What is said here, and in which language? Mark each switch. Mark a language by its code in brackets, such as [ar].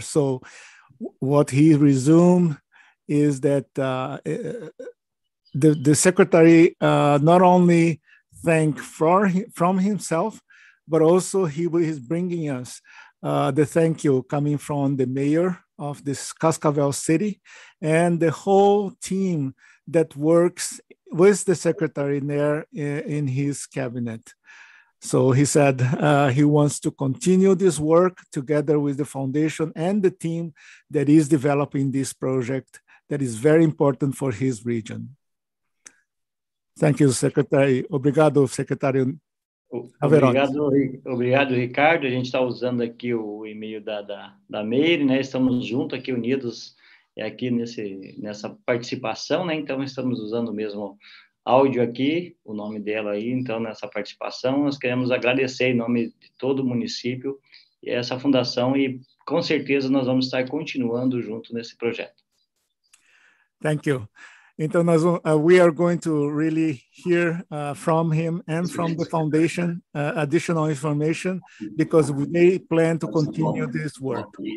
[en] So what he resumed is that the secretary not only thank from himself, but also he is bringing us the thank you coming from the mayor of this Cascavel city and the whole team that works with the secretary there in his cabinet. So he said he wants to continue this work together with the foundation and the team that is developing this project that is very important for his region. Thank you, secretary. [pt] Obrigado, secretário. Obrigado, Ricardo. A gente está usando aqui o e-mail da Meire, né? Estamos juntos aqui, unidos aqui nessa participação, né? Então, estamos usando o mesmo áudio aqui, o nome dela aí, então, nessa participação. Nós queremos agradecer em nome de todo o município e essa fundação, e com certeza nós vamos estar continuando junto nesse projeto. [en] Thank you. [pt] Então, nós, [en] we are going to really hear from him and from the foundation additional information, because they plan to continue this work.